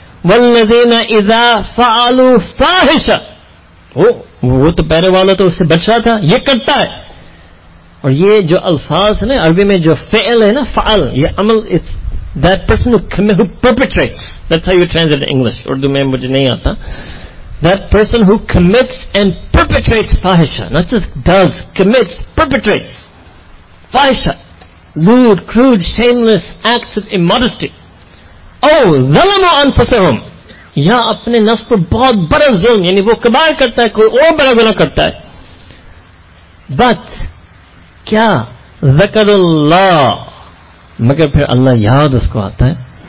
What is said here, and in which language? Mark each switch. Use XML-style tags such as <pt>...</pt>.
<ar>وَالَّذِينَ إِذَا فَعَلُوا فَاحِشَةً</ar> <ur>وہ تو پہلے والا تو اس سے بچ رہا تھا, یہ کرتا ہے. اور یہ جو الفاظ ہیں عربی میں جو فعل ہے نا, فعل یہ عمل,</ur> <en>it's that person who perpetrates, that's how you translate in English.</en> <ur>Urdu میں مجھے نہیں آتا.</ur> <en>That person who commits and perpetrates fahisha, not just does, commits, perpetrates fahisha, lewd, crude, shameless acts of immodesty.</en> <ur>Oh,</ur> <ar>ظَلَمُوا أَنفُسَهُمْ,</ar> <ur>یا اپنے نفس پر بہت بڑا ظلم, یعنی وہ کبائر کرتا ہے, کوئی اور بڑا گناہ کرتا ہے. But کیا ذکر اللہ, مگر پھر اللہ یاد اس کو آتا ہے.</ur>